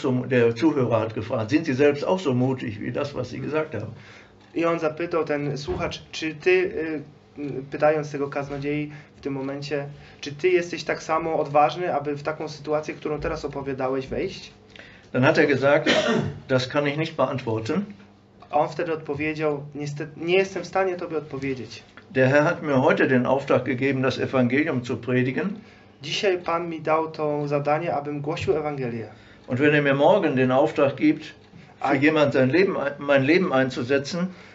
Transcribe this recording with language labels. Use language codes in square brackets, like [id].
[de] Der Zuhörer hat gefragt, sind Sie selbst auch so mutig wie das, was Sie gesagt haben? [pl] I on zapytał ten słuchacz, czy ty, pytając tego kaznodziei w tym momencie, czy ty jesteś tak samo odważny, aby w taką sytuację, którą teraz opowiadałeś, wejść? [de] Dann hat er gesagt, das kann ich nicht beantworten. [pl] On wtedy odpowiedział, niestety, nie jestem w stanie tobie odpowiedzieć. [de] Der Herr hat mir heute den Auftrag gegeben, das Evangelium zu predigen. [pl] Dzisiaj Pan mi dał to zadanie, abym głosił Ewangelię. [de] Und wenn er mir morgen den Auftrag gibt, für jemand mein Leben einzusetzen,